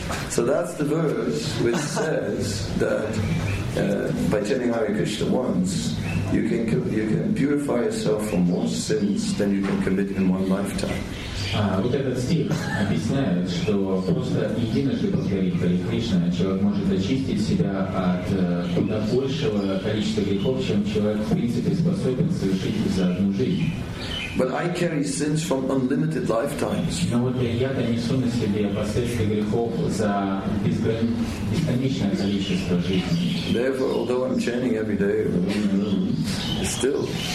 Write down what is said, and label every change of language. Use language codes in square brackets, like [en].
[en] So that's the verse which says that by chanting Hare Krishna once, you can purify yourself from more sins than you can commit in one lifetime. [ru] Вот этот стих объясняет, что просто единожды повторить Хари Кришна, человек может очистить себя от куда большего количества грехов, чем человек в принципе способен совершить за одну жизнь. [en] But I carry sins from unlimited lifetimes. [ru] Но вот я-то несу на себе последствия грехов за бесконечное количество жизней. [en] Therefore, although I'm chanting every day, still.